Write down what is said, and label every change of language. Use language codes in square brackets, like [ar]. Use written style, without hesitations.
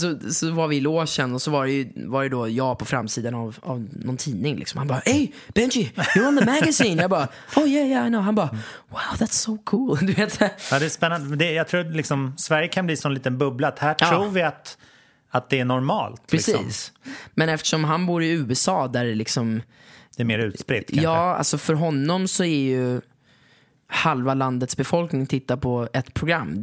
[sv] Så var vi i logen och så var det då jag på framsidan av någon tidning liksom. Han bara, [en] hey Benji, you're on the magazine. [sv] Jag bara, [en] oh yeah, I know. [sv] Han bara, [en] wow, that's so cool. [sv] Du vet. Ja, det är spännande. Jag tror liksom Sverige kan bli sån liten bubbla. Här tror vi att det är normalt. Precis. Liksom. Men eftersom han bor i USA där det liksom... Det är mer utspritt kanske. Ja, alltså för honom så är ju halva landets befolkning tittar på ett program.